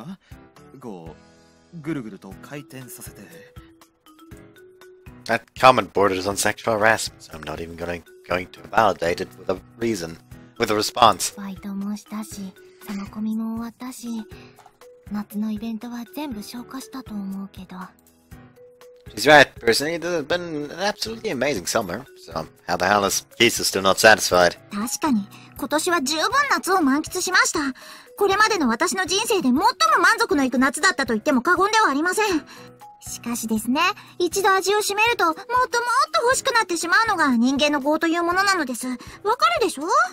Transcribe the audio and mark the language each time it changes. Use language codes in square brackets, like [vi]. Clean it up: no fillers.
[ja] いいかって言われても仕方ないだろ?ずっと夏なのも困るし。日本の夏は、きついでごじゃる。さざと終わってくれないと、カーラはバーターみたいに溶けそうでごじゃる。カーラは溶ける側ではなく、むしろ溶かす側ではないか?こう、ぐるぐると回転させて。 [en] That comment borders on sexual harassment, so I'm not even going to validate it with a reason, with a response. [ja] バイトもしたし、サマコミも終わったし、夏のイベントは全部消化したと思うけど。 [en] She's right, personally, this has been an absolutely amazing summer, so how the hell is Kisa still not satisfied? [ja] 確かに、今年は十分夏を満喫しました。これまでの私の人生で最も満足のいく夏だったと言っても過言ではありません。しかしですね、一度味を占めると、もっともっと欲しくなってしまうのが人間の業というものなのです。わかるでしょ?